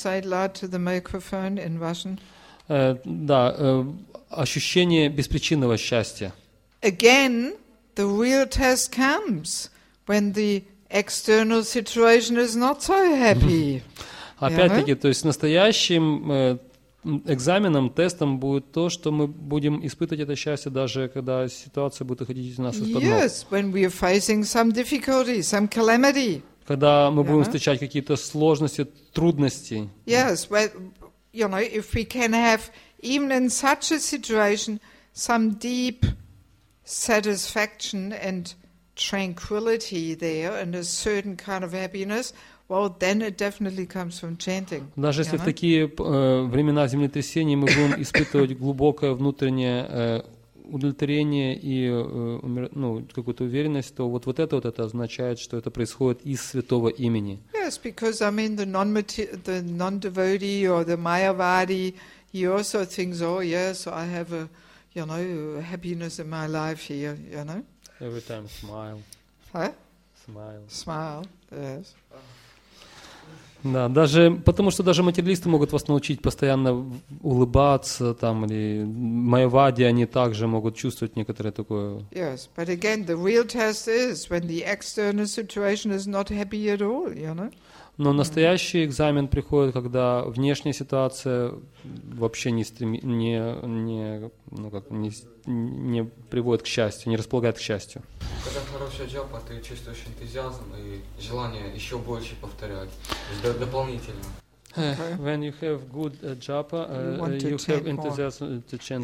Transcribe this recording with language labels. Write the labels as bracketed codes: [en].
[en] Say it loud to the microphone in Russian. [ru] Да, ощущение беспричинного счастья. [en] Again, the real test comes when the external situation is not so happy. [ru] Опять-таки, то есть настоящим экзаменом, тестом будет то, что мы будем испытывать это счастье, даже когда ситуация будет выходить из нас из-под ног. [en] Yes, when we are facing some difficulty, some calamity. [ru] Когда мы uh-huh. будем встречать какие-то сложности, трудности. [en] Yes, well, you know, if we can have, even in such a situation, some deep satisfaction and tranquility there, and a certain kind of happiness, well, then it definitely comes from chanting. [ru] Даже если [en] know? [ru] В такие времена землетрясений мы будем испытывать глубокое внутреннее удовлетворение и ну, какую-то уверенность, то вот, вот это означает, что это происходит из святого имени. [en] Yes, because I mean the non-devotee or the mayavadi, he also thinks, oh yes, I have a, you know, happiness in my life here, you know. Every time smile. Huh? Smile. Smile, yes. [ru] Да, даже потому что даже материалисты могут вас научить постоянно улыбаться, там или майвади, они также могут чувствовать некоторое такое. [en] Yes, but again, the real test is when the external situation is not happy at all, you know. [ru] Но настоящий экзамен приходит, когда внешняя ситуация вообще не приводит к счастью, не располагает к счастью. Когда хорошая джапа, ты чувствуешь энтузиазм и желание еще больше повторять, дополнительно. [en] When you have good japa, you have enthusiasm to chant